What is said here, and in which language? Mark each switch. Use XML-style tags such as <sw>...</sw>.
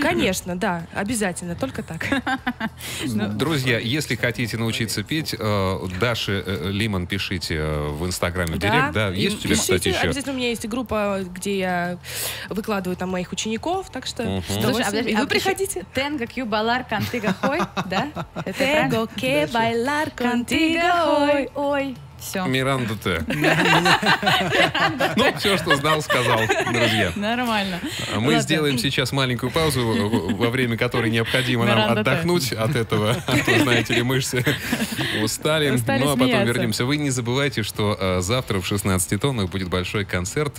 <ru>Конечно, да, обязательно, только так. Друзья, если хотите научиться петь, Даше Лимон пишите в Инстаграме, в Директ, да, есть у тебя, кстати, еще? Обязательно, у меня есть группа, где я выкладываю там моих учеников, так что с удовольствием, и вы приходите.</ru> <es>Tengo que bailar contigo hoy,</es> <ru>да?</ru> <es>Tengo que bailar contigo hoy,</es> <ru>ой. Миранда Т. Ну, все, что знал, сказал, друзья. Нормально. Мы сделаем сейчас маленькую паузу, во время которой необходимо нам отдохнуть от этого. А то, знаете ли, мышцы устали. Ну, а потом вернемся. Вы не забывайте, что завтра в 16 тоннах будет большой концерт.</ru>